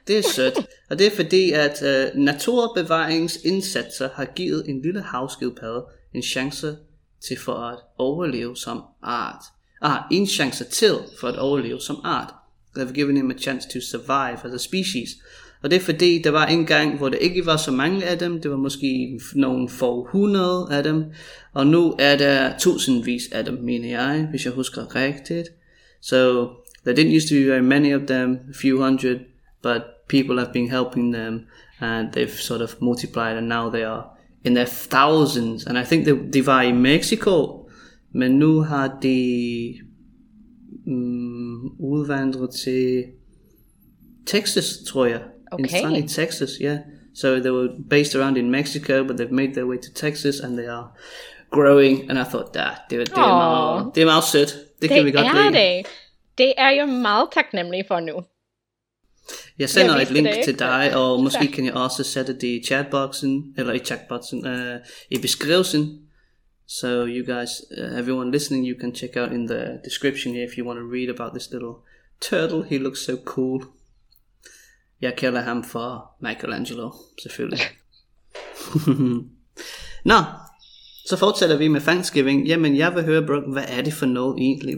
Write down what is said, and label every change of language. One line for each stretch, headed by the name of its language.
Danish: Det er sødt. Og det er fordi, at naturbevaringsindsatser har givet en lille havskildpadde en chance til for at overleve som art. En chance til for at overleve som art.
English: They've given him a chance to survive as a species.
Danish: Og det er fordi, der var en gang, hvor der ikke var så mange af dem. Det var måske nogle få hundrede af dem. Og nu er der tusindvis af dem, mener jeg, hvis jeg husker rigtigt.
English: So, there didn't used to be very many of them, a few hundred. But people have been helping them. And they've sort of multiplied, and now they are in their thousands. And I think they
Danish: var i Mexico. Men nu har de udvandret til Texas, tror jeg. Okay.
English: In Texas, yeah. So they were based around in Mexico, but they've made their way to Texas, and they are growing. And I thought, that they are
Danish: meget sødt. Det kan vi godt lide. Det er jo meget taknemmelig for nu. Jeg sender et link til dig, og måske kan jeg også sætte det i chatboxen, eller i chatboxen, i beskrivelsen.
English: So you guys, everyone listening, you can check out in the description here if you want to read about this little turtle. He looks so cool.
Danish: Jeg kalder ham for Michelangelo, selvfølgelig. Nå, så fortsætter vi med Thanksgiving. Jamen, jeg vil høre, Brooke, hvad er det for noget egentlig?